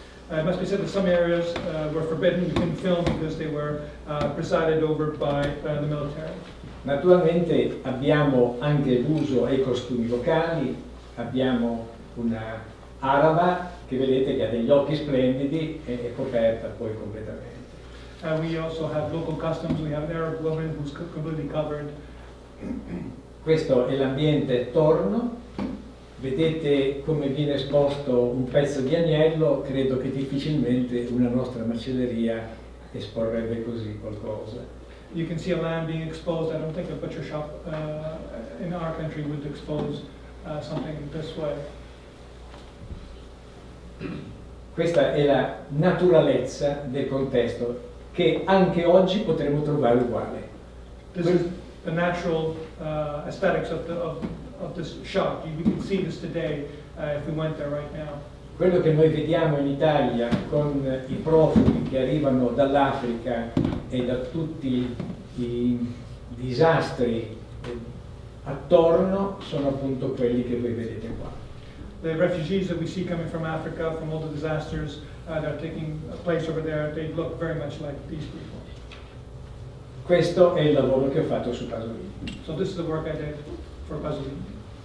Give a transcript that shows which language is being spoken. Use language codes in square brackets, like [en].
[en] It must be said that some areas were forbidden, you couldn't film because they were presided over by the military. [it] Naturalmente abbiamo anche l'uso ai costumi locali, abbiamo una araba che vedete che ha degli occhi splendidi e è coperta poi completamente. [en] We also have local customs, we have an Arab woman who's completely covered. [it] Questo è l'ambiente attorno, vedete come viene esposto un pezzo di agnello, credo che difficilmente una nostra macelleria esporrebbe così qualcosa. [en] You can see a lamb being exposed. I don't think a butcher shop in our country would expose something this way. [it] Questa è la naturalezza del contesto che anche oggi potremmo trovare uguale. [en] This is the natural aesthetics of this shop. We can see this today if we went there right now. [it] Quello che noi vediamo in Italia con i profughi che arrivano dall'Africa e da tutti i disastri attorno sono appunto quelli che voi vedete qua. [en] The refugees that we see coming from Africa, from all the disasters that are taking place over there, they look very much like these people. [it] Questo è il lavoro che ho fatto su Pasolini. [en] So this is the work I did for Pasolini.